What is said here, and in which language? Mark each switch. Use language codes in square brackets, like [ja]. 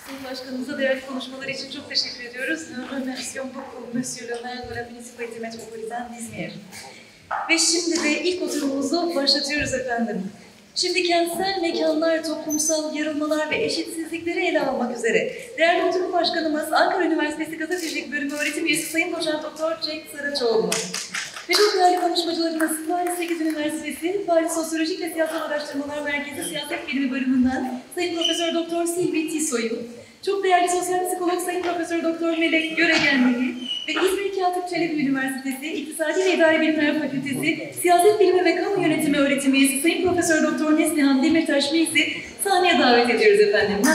[tr] başkanımıza değerli konuşmaları için çok teşekkür ediyoruz. [fr] Merci beaucoup, Monsieur le Maire de la Municipalité Métropolitaine d'Izmir. [tr] Ve şimdi de ilk oturumumuzu başlatıyoruz efendim. Şimdi kentsel mekanlar, toplumsal yarılmalar ve eşitsizlikleri ele almak üzere değerli oturum başkanımız Ankara Üniversitesi Gazetecilik Bölümü Öğretim Üyesi Sayın Doçent Doktor Cenk Saraçoğlu. Ve çok değerli konuşmacılarımız Paris 8 Üniversitesi Paris Sosyolojik ve Siyasal Araştırmalar Merkezi Siyaset Bilimi Bölümünden Sayın Profesör Doktor Silvi Tisoy'u, çok değerli sosyal psikolog Sayın Profesör Doktor Melek Göregenli'yi ve İzmir Katip Çelebi Üniversitesi İktisadi ve İdari Bilimler Fakültesi Siyaset Bilimi ve Kamu Yönetimi Öğretim Üyesi Sayın Profesör Doktor Neslihan Demirtaş Meis'i sahneye davet ediyoruz efendim.